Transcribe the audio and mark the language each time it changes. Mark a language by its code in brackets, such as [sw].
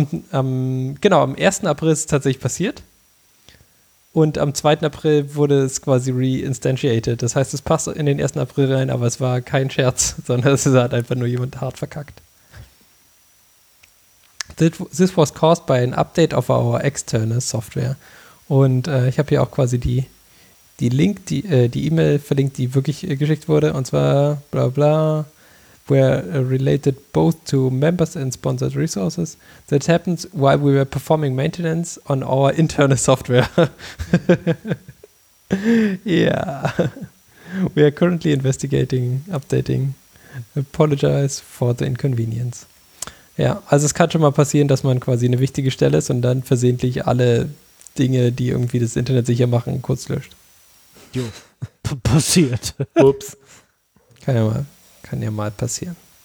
[de] Am 1. April ist es tatsächlich passiert. Und am 2. April wurde es quasi re-instantiated. Das heißt, es passt in den 1. April rein, aber es war kein Scherz, sondern es hat einfach nur jemand hart verkackt. [en] This was caused by an update of our external software. [de] Und ich habe hier auch quasi die E-Mail verlinkt, die wirklich geschickt wurde. Und zwar, [en] bla bla, were related both to members and sponsored resources. That happens while we were performing maintenance on our internal software. Yeah. We are currently investigating, updating. Apologize for the inconvenience. [de] Ja, also es kann schon mal passieren, dass man quasi eine wichtige Stelle ist und dann versehentlich alle Dinge, die irgendwie das Internet sicher machen, kurz löscht. Jo, passiert. Ups. Kann ja mal passieren.